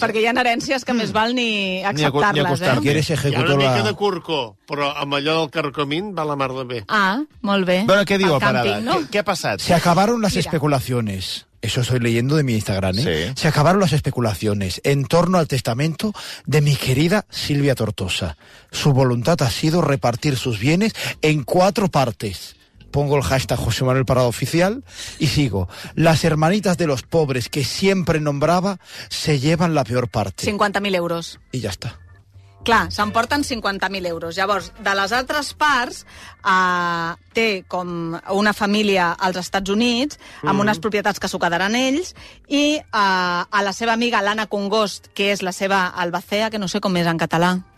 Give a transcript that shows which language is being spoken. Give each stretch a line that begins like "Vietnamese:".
Catalan: Perquè hi ha herències que més val ni acceptar-les. Ni acostar-te. Hi ha una mica de curco, però amb allò del carcomín va la mar de bé. Ah, molt bé. Bueno, què diu, Parada? Què ha passat?
Spanish: Se acabaron las especulaciones. Eso estoy leyendo de mi Instagram, ¿eh? Sí. Se acabaron las especulaciones en torno al testamento de mi querida Silvia Tortosa. Su voluntad ha sido repartir sus bienes en 4 partes. Pongo el hashtag José Manuel Parado Oficial y sigo. Las hermanitas de los pobres que siempre nombraba se llevan la peor parte. 50.000 euros. Y ya está.
Catalan: Clar, s'emporten 50.000 euros. Llavors, de les altres parts, té com una família als Estats Units, amb unes propietats que s'ho quedaran ells, i a la seva amiga, l'Anna Congost, que és la seva albacea, que no sé com és en català.